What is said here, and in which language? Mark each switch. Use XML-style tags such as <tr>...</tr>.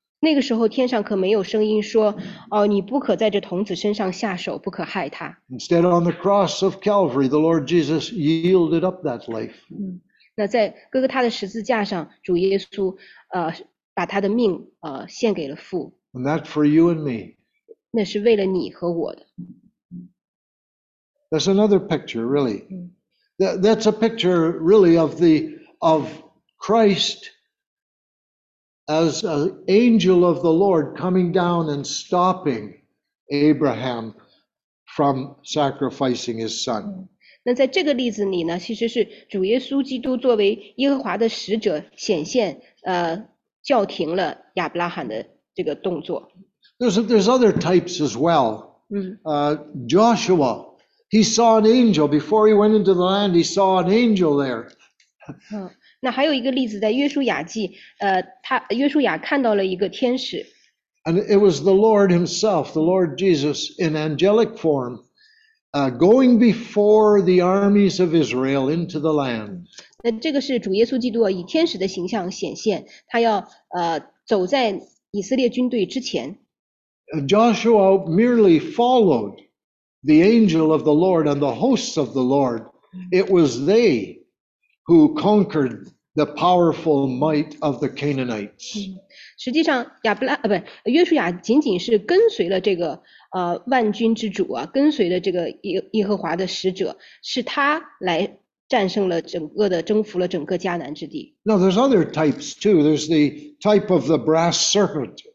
<zh>那个时候天上可没有声音说，哦，你不可在这童子身上下手，不可害他。</zh> <en>Instead, on the cross of Calvary, the Lord Jesus yielded up that life.</en> <zh>那在哥哥他的十字架上，主耶稣，把他的命，献给了父。</zh> <en>And that for you and me.</en> <zh>那是为了你和我的。</zh> <en>That's another picture, really. That's a picture, really, of Christ. As an angel of the Lord coming down and stopping Abraham from sacrificing his son.</en> <zh>那在这个例子里呢，其实是主耶稣基督作为耶和华的使者显现，叫停了亚伯拉罕的这个动作。</zh> <en>There's other types as well. Joshua, he saw an angel before he went into the land. He saw an angel there.</en> <zh>那还有一个例子，在约书亚记，约书亚看到了一个天使。</zh> <en>And it was the Lord Himself, the Lord Jesus, in angelic form, going before the armies of Israel into the land.</en> <zh>那这个是主耶稣基督以天使的形象显现，他要走在以色列军队之前。</zh> <en>Joshua merely followed the angel of the Lord and the hosts of the Lord. It was they. Who conquered the powerful might of the Canaanites?</en> <zh>实际上约书亚仅仅是跟随了这个万军之主啊，跟随了这个耶和华的使者，是他来战胜了整个的，征服了整个迦南之地。</zh> <en>Now there's other types too. There's the type of the brass serpent.</en>